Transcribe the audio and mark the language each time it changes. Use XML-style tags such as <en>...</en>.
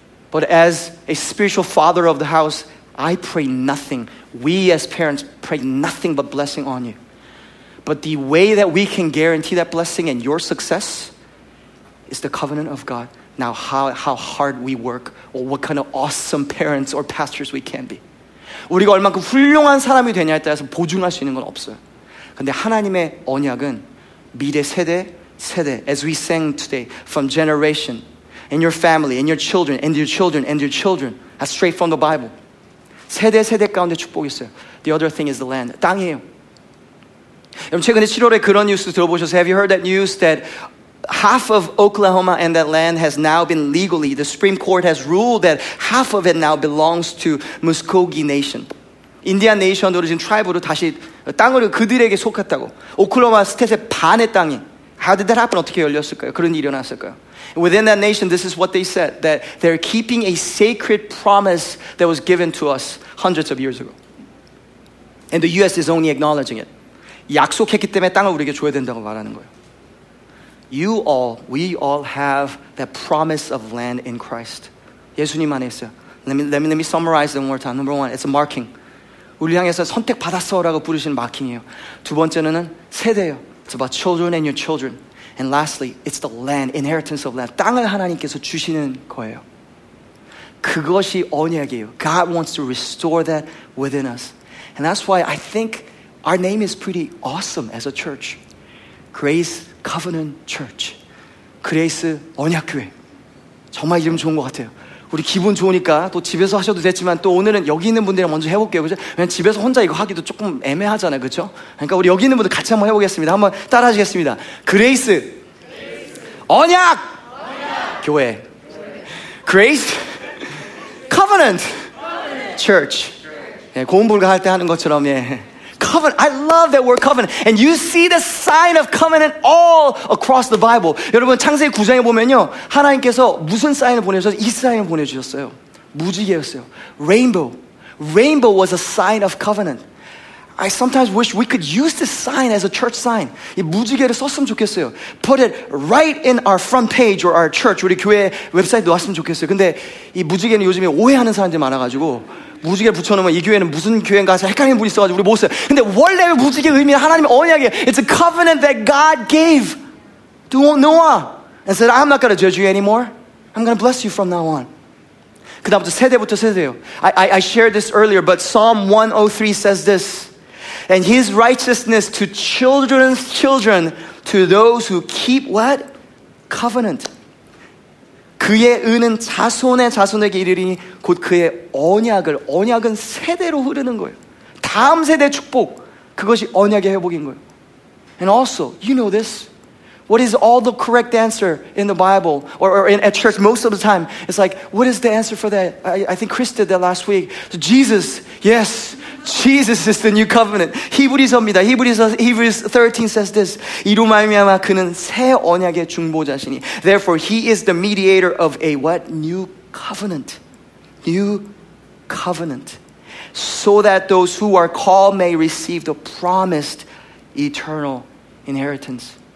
<en>But as a spiritual father of the house, I pray nothing. We as parents pray nothing but blessing on you. But the way that we can guarantee that blessing and your success is the covenant of God. Now how hard we work, or what kind of awesome parents or pastors we can be.</en> <ko>우리가 얼만큼 훌륭한 사람이 되냐에 따라서 보증할 수 있는 건 없어요. 근데 하나님의 언약은 미래 세대, 세대.</ko> <en>As we sang today, from generation, in your family, in your children, and your children, and your children. That's straight from the Bible.</en> <ko>세대, 세대 가운데 축복이 있어요.</ko> <en>The other thing is the land.</en> <ko>땅이에요. 여러분, 최근에 7월에 그런 뉴스 들어보셨어요?</ko> <en>Have you heard that news that half of Oklahoma and that land has now been legally, the Supreme Court has ruled that half of it now belongs to Muskogee Nation.</en> <ko>Indian Nation으로 지금 tribe으로 다시 땅을 그들에게 속했다고. Oklahoma State의 반의 땅이.</ko> <en>How did that happen?</en> <ko>어떻게 열렸을까요? 그런 일이 일어났을까요?</ko> <en>Within that nation, this is what they said, that they're keeping a sacred promise that was given to us hundreds of years ago. And the U.S. is only acknowledging it.</en> <ko>약속했기 때문에 땅을 우리에게 줘야 된다고 말하는 거예요.</ko> <en>You all, we all have that promise of land in Christ.</en> <ko>예수님 안에 있어요.</ko> <en>Let me summarize it one more time. Number one, it's a marking.</en> <ko>우리 향해서 선택받았어라고 부르시는 마킹이에요. 두 번째는 세대예요.</ko> <en>It's about children and your children. And lastly, it's the land, inheritance of land.</en> <ko>땅을 하나님께서 주시는 거예요. 그것이 언약이에요.</ko> <en>God wants to restore that within us. And that's why I think our name is pretty awesome as a church. Grace Covenant Church. Grace 언약교회.</en> <ko>정말 이름 좋은 것 같아요. 우리 기분 좋으니까 또 집에서 하셔도 됐지만 또 오늘은 여기 있는 분들이랑 먼저 해볼게요. 그죠? 그냥 집에서 혼자 이거 하기도 조금 애매하잖아요. 그죠? 그러니까 우리 여기 있는 분들 같이 한번 해보겠습니다. 한번 따라 하시겠습니다. 그레이스. 언약. 언약. 교회. 그레이스.</ko> <en>커버넌트. 처치.</en> <ko>고음 불가 할 때 하는 것처럼.</ko> <en>예. Covenant. I love that word covenant. And you see the sign of covenant all across the Bible.</en> <ko>여러분 창세기 9장에 보면요. 하나님께서 무슨 사인을 보내주셨어요? 이 사인을 보내주셨어요. 무지개였어요.</ko> <en>Rainbow. Rainbow was a sign of covenant. I sometimes wish we could use this sign as a church sign.</en> <ko>이 무지개를 썼으면 좋겠어요.</ko> <en>Put it right in our front page or our church.</en> <ko>우리 교회 웹사이트 넣었으면 좋겠어요. 근데 이 무지개는 요즘에 오해하는 사람들이 많아가지고 무지개 붙여놓으면 이 교회는 무슨 교회인가 해서 헷갈리는 분이 있어가지고 우리 못 써요. 근데 원래 무지개 의미는 하나님의 언약이에요.</ko> <en>It's a covenant that God gave to Noah and said, I'm not going to judge you anymore. I'm going to bless you from now on.</en> <ko>그 다음부터 세대부터 세대요.</ko> <en>I shared this earlier, but Psalm 103 says this. And his righteousness to children's children, to those who keep what? Covenant.</en> <ko>그의 은은 자손의 자손에게 이르리니 곧 그의 언약을, 언약은 세대로 흐르는 거예요. 다음 세대 축복, 그것이 언약의 회복인 거예요.</ko> <en>And also, you know this. What is all the correct answer in the Bible or in, at church most of the time? It's like, what is the answer for that? I think Chris did that last week. So Jesus, yes, Jesus is the new covenant.</en> <ko>히브리서입니다. 히브리서 13 says this. 이로 말미암아 그는 새 언약의 중보자시니.</ko> <en>Therefore, he is the mediator of a what? New covenant. New covenant. So that those who are called may receive the promised eternal inheritance.</en>